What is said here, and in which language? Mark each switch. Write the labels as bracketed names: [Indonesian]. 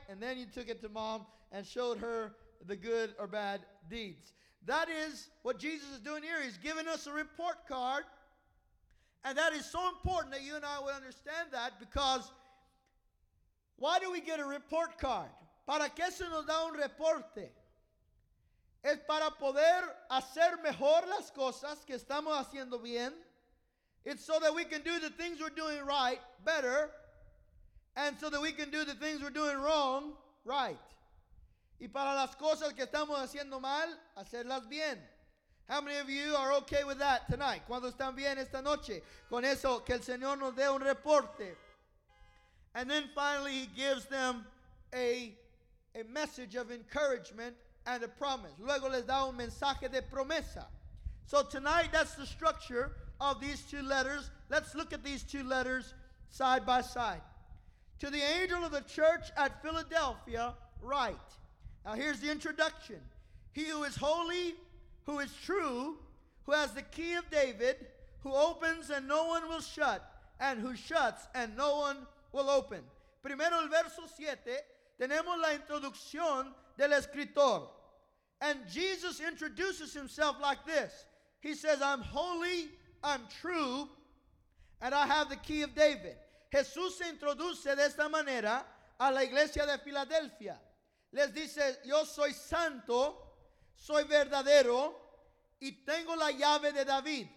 [English] And then you took it to mom and showed her the good or bad deeds. That is what Jesus is doing here. He's giving us a report card. And that is so important that you and I would understand that, because why do we get a report card? [Spanish] ¿Para qué se nos da un reporte? Es para poder hacer mejor las cosas que estamos haciendo bien. [English] It's so that we can do the things we're doing right better, and so that we can do the things we're doing wrong right. [Spanish] Y para las cosas que estamos haciendo mal, hacerlas bien. [English] How many of you are okay with that tonight? [Spanish] ¿Cuándo están bien esta noche? Con eso, que el Señor nos dé un reporte. [English] And then finally, he gives them a message of encouragement and a promise. [Spanish] Luego les da un mensaje de promesa. [English] So tonight, that's the structure of these two letters. Let's look at these two letters side by side. To the angel of the church at Philadelphia, write. Now here's the introduction. He who is holy, who is true, who has the key of David, who opens and no one will shut, and who shuts and no one will open. [Spanish] Primero el verso 7, tenemos la introducción del escritor. [English] And Jesus introduces himself like this. He says, I'm holy, I'm true, and I have the key of David. [Spanish] Jesús se introduce de esta manera a la iglesia de Filadelfia. Les dice, yo soy santo, soy verdadero, y tengo la llave de David.